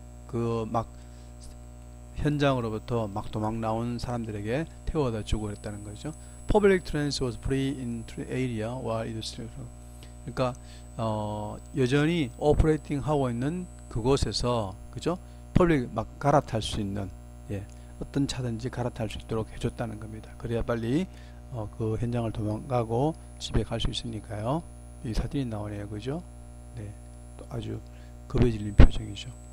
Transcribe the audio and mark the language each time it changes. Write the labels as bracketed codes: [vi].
[ko] 그막 현장으로부터 막 도망 나온 사람들에게 태워다 주고 그랬다는 거죠. [en] Public transport was free in area while it was still. [ko] 그러니까 여전히 오퍼레이팅 하고 있는 그곳에서, 그죠? 퍼블릭 막 갈아탈 수 있는, 예, 어떤 차든지 갈아탈 수 있도록 해줬다는 겁니다. 그래야 빨리 그 현장을 도망가고 집에 갈수 있으니까요. 이 사진이 나오네요, 그죠? 네, 아주 겁에 질린 표정이죠.